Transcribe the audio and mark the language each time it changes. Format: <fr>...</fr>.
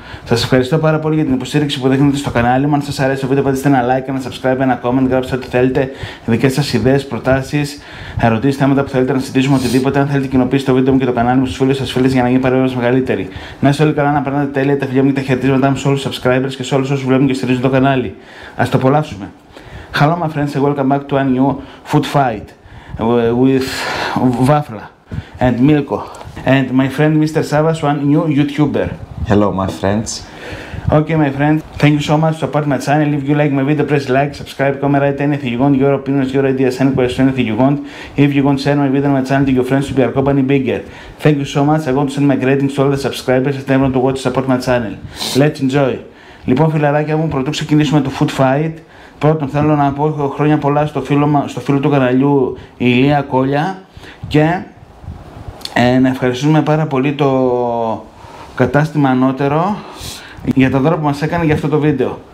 <el>Σας ευχαριστώ πάρα πολύ για την υποστήριξη που δείχνετε στο κανάλι μου. Αν σας αρέσει το βίντεο, πατήστε ένα like, ένα subscribe, ένα comment, γράψτε ό,τι θέλετε. Δικές σας ιδέες, προτάσεις, ερωτήσεις, θέματα που θέλετε να συζητήσουμε, οτιδήποτε. Αν θέλετε, κοινοποιήστε το βίντεο μου και το κανάλι μου στους φίλους σας φίλες για να γίνει παρέμβαση μεγαλύτερη. Να είστε όλοι καλά, να περνάτε τέλεια. Τα φιλιά μου και τα χαιρετίσματά μου σε όλους τους subscribers και σε όλους όσους βλέπουν και στηρίζουν το κανάλι. Ας το απολαύσουμε.</el> <en>Hello my friends, welcome back to a new food fight with Vafla and Milko and my friend Mr. Savas, one new YouTuber. Hello, my friends. Okay, my friend. Thank you so much for supporting my channel. If you like my video, press like, subscribe, comment, write anything you want, your opinions, your ideas, any questions, anything you want. If you want to send my video on my channel to your friends to be our company bigger. Thank you so much. I want to send my greetings to all the subscribers and everyone to watch support my channel. Let's enjoy.</en> <el>Λοιπόν, φιλαράκια μου, πρωτού ξεκινήσουμε το food fight. Πρώτον, θέλω να πω χρόνια πολλά στο φίλο του καναλιού, Ηλία Κόλια. Και να ευχαριστούμε πάρα πολύ το κατάστημα Ανώτερο για τα δώρα που μας έκανε για αυτό το βίντεο.</el>